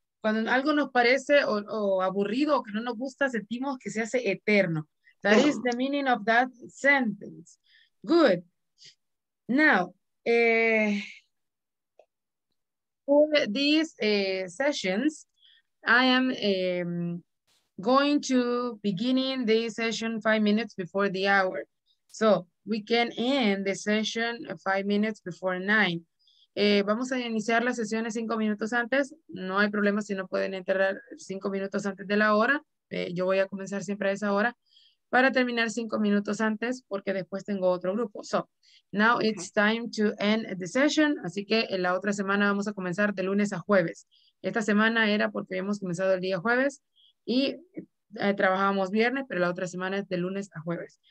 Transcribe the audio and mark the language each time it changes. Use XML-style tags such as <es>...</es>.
<es>Cuando algo nos parece o aburrido o que no nos gusta, sentimos que se hace eterno.</es> <en>That is the meaning of that sentence. Good. Now, for these sessions, I am going to beginning the session 5 minutes before the hour. So we can end the session 5 minutes before 9.</en> <es>Vamos a iniciar las sesiones 5 minutos antes. No hay problema si no pueden entrar 5 minutos antes de la hora. Yo voy a comenzar siempre a esa hora. Para terminar 5 minutos antes, porque después tengo otro grupo.</es> <en>So, now it's time to end the session.</en> <es>Así que en la otra semana vamos a comenzar de lunes a jueves. Esta semana era porque habíamos comenzado el día jueves y trabajábamos viernes, pero la otra semana es de lunes a jueves.</es>